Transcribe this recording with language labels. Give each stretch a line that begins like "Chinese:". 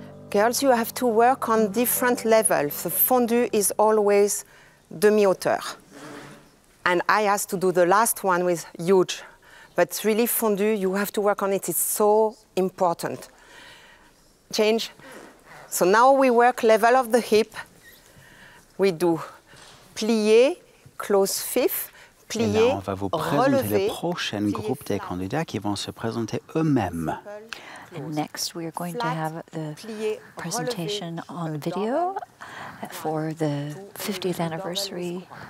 English: Girls, you have to work on different levels. The fondue is always demi-hauteur. And I asked to do the last one with huge. But really fondue, you have to work on it. It's so important. Change. So now we work level of the hip. We do plié, close fifth, plié, relevé.
French: Et là, on va vous présenter le prochain groupe des candidats qui vont se présenter eux-mêmes.
English: Next, we are going to have the presentation on video for the 50th anniversary.